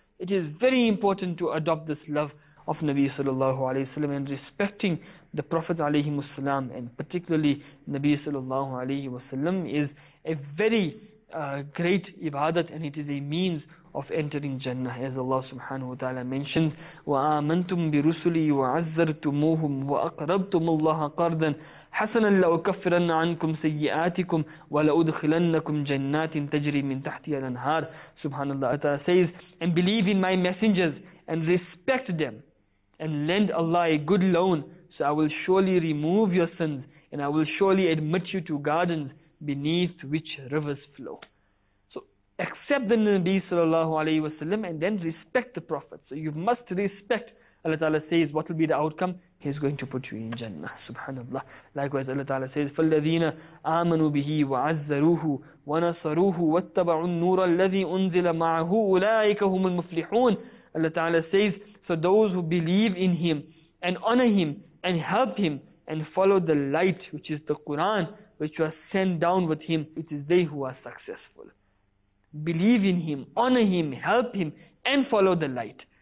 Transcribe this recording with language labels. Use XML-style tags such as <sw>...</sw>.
<en>It is very important to adopt this love of Nabi sallallahu alayhi wa sallam and respecting the Prophet alayhi wa sallam, and particularly Nabi sallallahu alayhi wa sallam is a very great ibadat, and it is a means of entering Jannah. As Allah subhanahu wa ta'ala mentioned,</en> <ar>وَآمَنْتُمْ بِرُسُلِي وَعَزَّرْتُمُوهُمْ وَأَقْرَبْتُمُ اللَّهَ قَرْضًا حَسَنًا لَأُكَفِّرَنَّ عَنْكُمْ سَيِّئَاتِكُمْ وَلَأُدْخِلَنَّكُمْ جَنَّاتٍ تَجْرِي مِنْ تَحْتِهَا الْأَنْهَارِ.</ar> <en>SubhanAllah Ta'ala says, and believe in my messengers and respect them and lend Allah a good loan, so I will surely remove your sins and I will surely admit you to gardens beneath which rivers flow. So accept the Nabi sallallahu alayhi wa sallam and then respect the Prophet. So you must respect. Allah Ta'ala says, what will be the outcome? He is going to put you in Jannah. SubhanAllah. Likewise, Allah Ta'ala says,</en> <ar>فَالَّذِينَ آمَنُوا بِهِ وَعَزَّرُوهُ وَنَصَرُوهُ وَاتَّبَعُوا النُّورَ الَّذِي أُنزِلَ مَعَهُ أُولَٰئِكَ هُمُ الْمُفْلِحُونَ.</ar> <en>Allah Ta'ala says, so those who believe in him and honor him and help him and follow the light, which is the Quran, which was sent down with him, it is they who are successful. Believe in him, honor him, help him, and follow the light.</en>